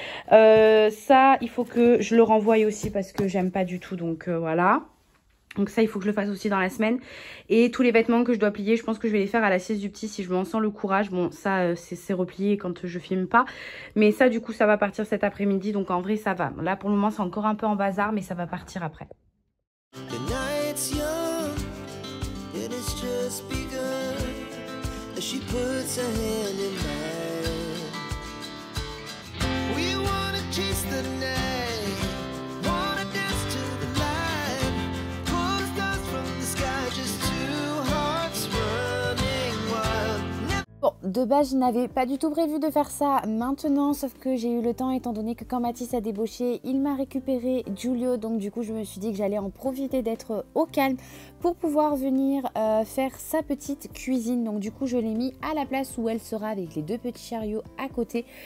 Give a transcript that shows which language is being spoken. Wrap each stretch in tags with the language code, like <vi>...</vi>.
<fr>Ça, il faut que je le renvoie aussi parce que j'aime pas du tout, donc voilà. Donc ça, il faut que je le fasse aussi dans la semaine. Et tous les vêtements que je dois plier, je pense que je vais les faire à la sieste du petit si je m'en sens le courage. Bon, ça, c'est replié quand je filme pas. Mais ça, du coup, ça va partir cet après-midi. Donc en vrai, ça va. Là, pour le moment, c'est encore un peu en bazar, mais ça va partir après.</fr> <en>The night's young, and it's just begun. She puts her hand in mine. We wanna chase the night, wanna dance to the light. Pulls us from the sky, just two hearts running wild.</en> <fr>Bon, de base, je n'avais pas du tout prévu de faire ça maintenant, sauf que j'ai eu le temps étant donné que quand Mathis a débauché, il m'a récupéré Giulio. Donc du coup, je me suis dit que j'allais en profiter d'être au calme pour pouvoir venir faire sa petite cuisine. Donc du coup, je l'ai mis à la place où elle sera avec les deux petits chariots à côté.</fr>